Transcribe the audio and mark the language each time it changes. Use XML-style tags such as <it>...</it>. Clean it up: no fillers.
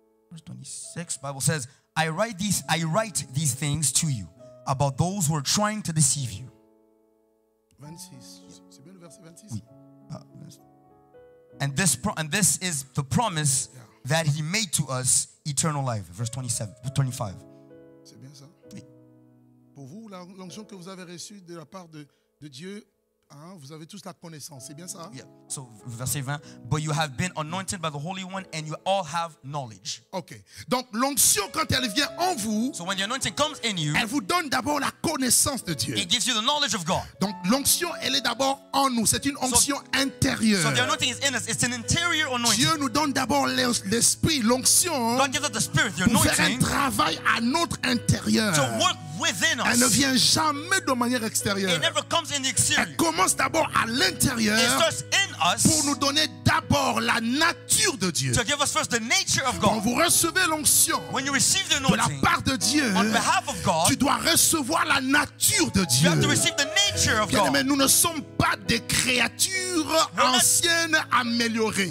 <en>Verse 26, Bible says, I write these things to you about those who are trying to deceive you.</en> <fr>26. C'est bien le verset 26?</fr> <en>And this is the promise that he made to us, eternal life. Verse 25.</en> <fr>C'est bien ça. Oui. Pour vous, l'onction que vous avez reçue de la part de Dieu, hein, vous avez tous la connaissance. C'est bien ça.</fr> <en>Yeah. So, verset 20. But you have been anointed by the Holy One, and you all have knowledge.</en> <fr>Okay. Donc l'onction quand elle vient en vous,</fr> <en>so when the anointing comes in you,</en> <fr>elle vous donne d'abord la connaissance de Dieu.</fr> <en>It gives you the knowledge of God.</en> <fr>Donc l'onction, elle est d'abord en nous. C'est une onction intérieure.</fr> <en>So the anointing is in us. It's an interior anointing.</en> <fr>Dieu nous donne d'abord l'esprit, l'onction.</fr> <en>God gives us the Spirit, the anointing,</en> <fr>pour faire un travail à notre intérieur.</fr> <en>To work within us.</en> <fr>Elle ne vient jamais de manière extérieure.</fr> <en>It never comes in the exterior.</en> <fr>Elle commence d'abord à l'intérieur.</fr> <en>It starts in us.</en> <fr>Pour nous donner d'abord la nature de Dieu.</fr> <en>To give us first the nature of God.</en> <fr>Quand vous recevez l'onction,</fr> <en>when you receive the anointing,</en> <fr>de la part de Dieu,</fr> <en>on behalf of God,</en> <fr>tu dois recevoir la nature de Dieu.</fr> <en>You have to receive the nature of God.</en> <fr>Mais nous ne sommes pas des créatures anciennes améliorées.</fr>